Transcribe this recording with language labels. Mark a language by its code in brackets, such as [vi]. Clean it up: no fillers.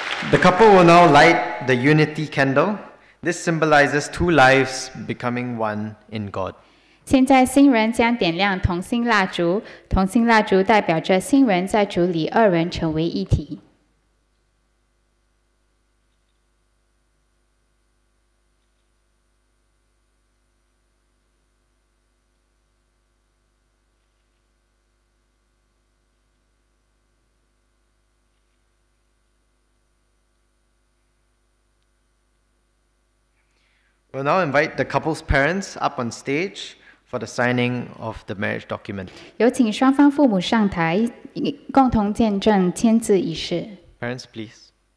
[en] The couple will now light the unity candle. This symbolizes two lives becoming one in God. [zh] 现在新人将点亮同心蜡烛，同心蜡烛代表着新人在主里二人成为一体。 [en] We'll now invite the couple's parents up on stage for the signing of the marriage document. [zh] 有请双方父母上台，共同见证签字仪式。 [en] Parents, please.